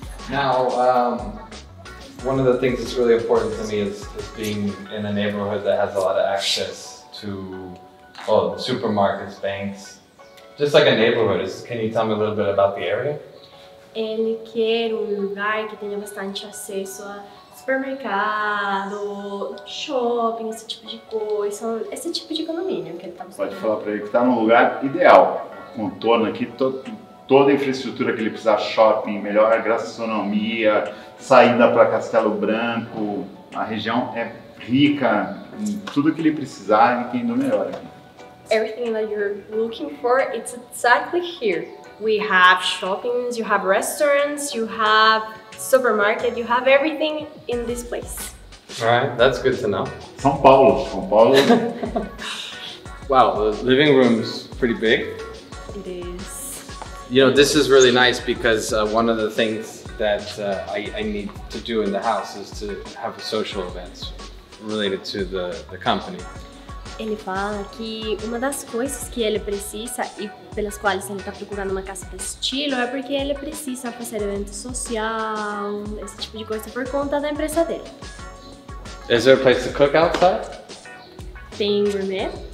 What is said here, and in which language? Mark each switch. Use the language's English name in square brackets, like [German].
[English] Now, one of the things that's really important to me is being in a neighborhood that has a lot of access to supermarkets, banks, just like a neighborhood. Can you tell me a little bit about the area? [Portuguese] Ele quer lugar que tenha bastante acesso a supermercado, shopping, esse tipo de coisa, esse tipo de condomínio que ele tá buscando. Pode falar para ele que tá no lugar ideal, contorno aqui todo. Toda a infraestrutura que ele precisa, shopping, melhor gastronomia, saída para Castelo Branco, a região é rica em tudo que ele precisar e tem do melhor aqui. [English] everything that you're looking for, it's exactly here. We have shoppings, you have restaurants, you have supermarket, you have everything in this place. All right, that's good to know. [Portuguese] São Paulo. [English] Wow, the living room's pretty big. It is. You know, this is really nice because one of the things that I need to do in the house is to have a social events related to the company. [Portuguese] Ele fala que uma das coisas que ele precisa e pelas quais ele está procurando uma casa desse estilo é porque ele precisa fazer evento social, esse tipo de coisa por conta da empresa dele. [English] Is there a place to cook outside? [Portuguese] Tem gourmet.